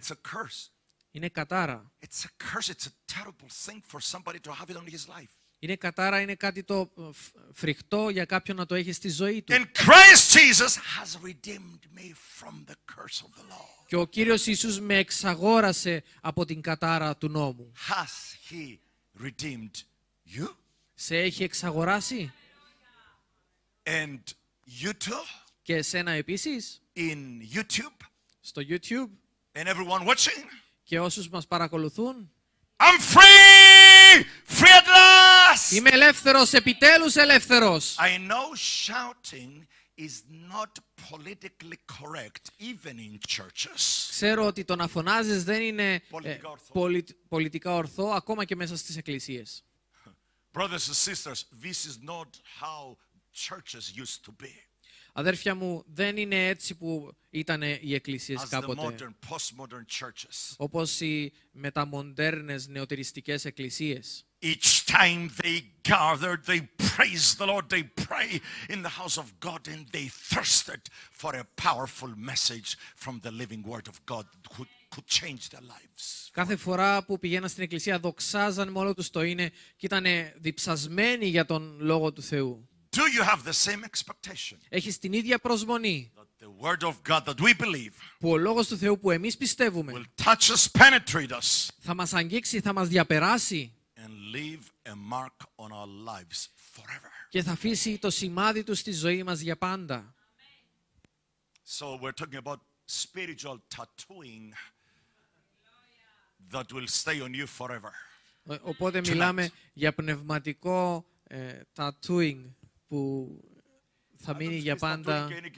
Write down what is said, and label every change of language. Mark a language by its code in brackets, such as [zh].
[en] It's a curse. [el] Είναι κατάρα. [en] It's a curse. It's a terrible thing for somebody to have it on his life. [el] Είναι κατάρα, είναι κάτι το φρικτό για κάποιον να το έχει στη ζωή του. [en] And Christ Jesus has redeemed me from the curse of the law. [el] Και ο Κύριος Ιησούς με εξαγόρασε από την κατάρα του νόμου. [en] Has he redeemed you? [el] Σε έχει εξαγοράσει; [en] And you too? [el] Και εσένα επίσης; [en] In YouTube? [el] Στο YouTube; [en] And everyone watching? [el] Και όσους μας παρακολουθούν; [en] I'm free! Free at last! [el] Είμαι ελεύθερος, επιτέλους ελεύθερος. [en] I know shouting is not politically correct, even in churches. [el] Ξέρω ότι το να φωνάζεις δεν είναι πολιτικά ορθό, ακόμα και μέσα στις εκκλησίες. [en] Brothers and sisters, this is not how churches used to be. [el] Αδέρφια μου, δεν είναι έτσι που ήταν οι εκκλησίες κάποτε. [en] Modern, [el] όπως οι μεταμοντέρνες νεωτεριστικές εκκλησίες. [en] Each time they gathered, they praised the Lord, they pray in the house of God and they thirsted for a powerful message from the living word of God who could change their lives. [el] Κάθε φορά που πηγαίναν στην εκκλησία, δοξάζαν με όλο τους το είναι και ήταν διψασμένοι για τον λόγο του Θεού. [en] Do you have the same expectation? [el] Έχεις την ίδια προσμονή; [en] That the word of God that we believe, [el] που ο λόγος του Θεού που εμείς πιστεύουμε, [en] will touch us, penetrate us, [el] θα μας αγγίξει, θα μας διαπεράσει, [en] and leave a mark on our lives forever. [el] Και θα αφήσει το σημάδι του στη ζωή μας για πάντα. [en] So we're talking about spiritual tattooing that will stay on you forever. [el] Οπότε μιλάμε για πνευματικό tattooing που θα μείνει για πάντα.